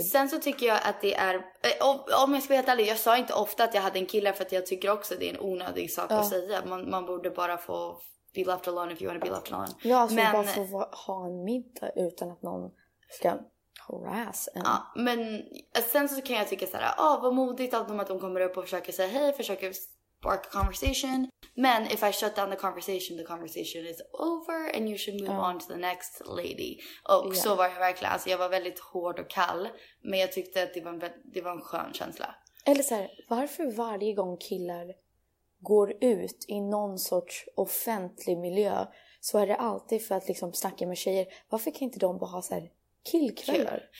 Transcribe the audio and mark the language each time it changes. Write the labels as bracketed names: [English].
[Swedish] Sen så tycker jag att det är, om jag ska vara helt ärlig, jag sa inte ofta att jag hade en kille för att jag tycker också att det är en onödig sak att säga. Man borde bara få [English] be left alone if you want to be left alone. [Swedish] Ja, så men, bara få ha en middag utan att någon ska harass en. Ja, men sen så kan jag tycka såhär, vad modigt av dem att de kommer upp och försöker säga hej, försöker [English] spark a conversation. [Swedish] Men [English] if I shut down the conversation is over and you should move on to the next lady. [Swedish] Och så var jag verkligen, alltså jag var väldigt hård och kall. Men jag tyckte att det var en skön känsla. Eller så här, varför varje gång killar går ut i någon sorts offentlig miljö så är det alltid för att liksom snacka med tjejer. Varför kan inte de bara ha så här killkvällar?